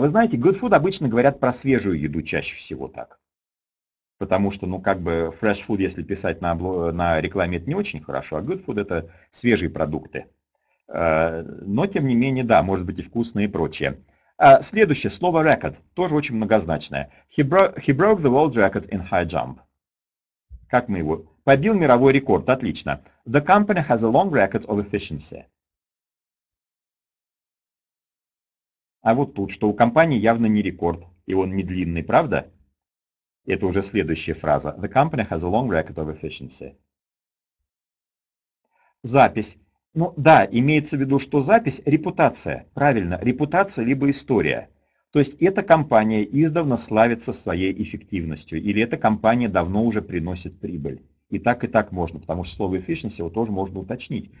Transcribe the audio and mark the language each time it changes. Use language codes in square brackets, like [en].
[ru] Вы знаете, [en] good food [ru] обычно говорят про свежую еду чаще всего так. Потому что, ну, как бы, [en] fresh food, [ru] если писать на рекламе, это не очень хорошо, а [en] good food [ru] – это свежие продукты. Но, тем не менее, да, может быть и вкусные и прочее. Следующее слово record тоже очень многозначное. [en] He broke the world record in high jump. [ru] Как мы его? Побил мировой рекорд. Отлично. [en] The company has a long record of efficiency. [ru] А вот тут, что у компании явно не рекорд, и он не длинный, правда? Это уже следующая фраза. [en] The company has a long record of efficiency. [ru] Запись. Ну да, имеется в виду, что запись, репутация, правильно, репутация либо история. То есть эта компания издавна славится своей эффективностью, или эта компания давно уже приносит прибыль. И так можно, потому что слово efficiency его тоже можно уточнить.